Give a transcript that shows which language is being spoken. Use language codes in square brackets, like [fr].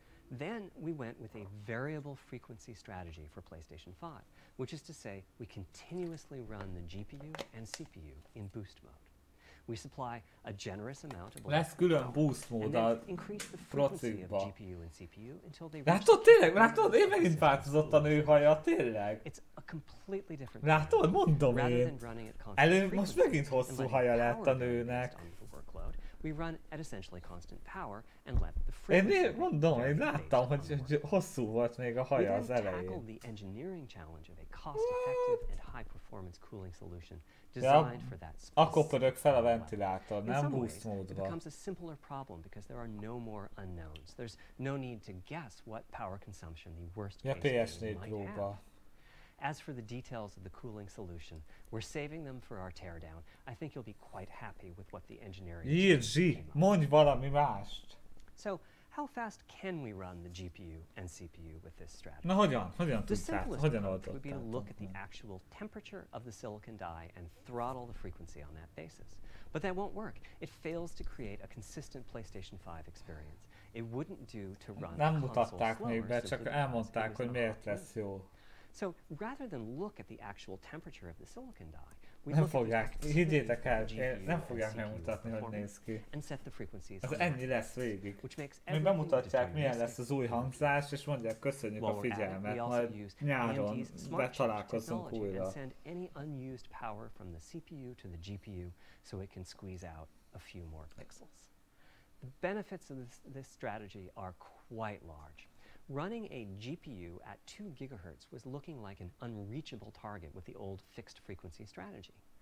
[en] Then we went with a variable frequency strategy for PlayStation 5, which is to say we continuously run the GPU and CPU in boost mode. We supply a generous amount of electrical power, and then increase the frequency of GPU and CPU until they reach. [hu] Látod, tényleg, látod, én megint változott a nőhaja, tényleg. [en] It's a completely different. [hu] Látod, mondom én. Elő most megint hosszú haja lett a nőnek. [en] We run at essentially constant power and let the frequency. [hu] Én mondom, én láttam, hogy hosszú volt még a haja az elején. [en] We then tackled the engineering challenge of a cost-effective and high-performance cooling solution designed for that specific. [hu] Akkor pörök fel a ventilátor, nem boost módba. [en] It becomes a simpler problem because there are no more unknowns. There's no need to guess what power consumption the worst case might have. As for the details of the cooling solution, we're saving them for our teardown. I think you'll be quite happy with what the engineering team came up. [hu] Mondj valami mást! [en] So how fast can we run the GPU and CPU with this strategy? [hu] Na hogyan? Hogyan tudtad? Hogyan oldottad? [en] Would be to look at the actual temperature of the silicon die and throttle the frequency on that basis. But that won't work. It fails to create a consistent PlayStation 5 experience. It wouldn't do to run [hu] nem mutatták még be, csak elmondták, hogy miért lesz jó. [en] So rather than look at the actual temperature of the silicon die, [hu] we nem fogják, higgyétek el, nem fogják megmutatni, hogy néz ki. Az ennyi lesz végig. Még bemutatják, milyen lesz az új hangzás, és mondják, köszönjük a figyelmet, majd nyáron betalálkozunk újra. [en] Send any unused power from the CPU to the GPU so it can squeeze out a few more pixels. The benefits of this strategy are quite large. Running a GPU at 2 GHz was looking like an unreachable target with the old fixed frequency strategy.